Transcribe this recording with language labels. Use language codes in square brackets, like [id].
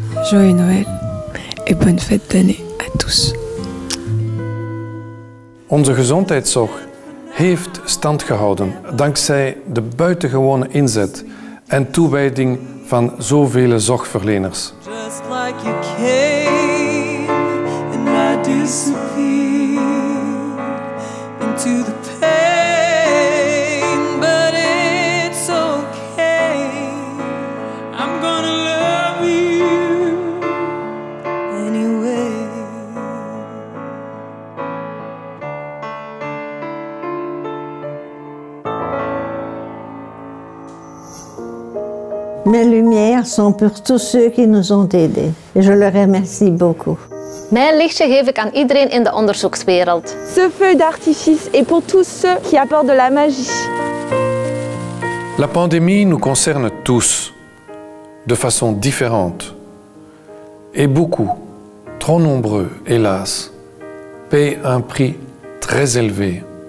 [fr] Joyeux Noël et bonne fête d'année à tous. [nl] Onze gezondheidszorg heeft stand gehouden dankzij de buitengewone inzet en toewijding van zoveel zorgverleners. [en] Just like you came and I disappeared into the pain, but it's okay. I'm gonna love you anyway. [fr] Mes lumières sont pour tous ceux qui nous ont aidés. Et je les remercie beaucoup. [nl] Mijn lichtje geef ik aan iedereen in de onderzoekswereld. [fr] Ce feu d'artifice est pour tous ceux qui apportent de la magie. La pandémie nous concerne tous, de façon différente. Et beaucoup, trop nombreux, hélas, payent un prix très élevé.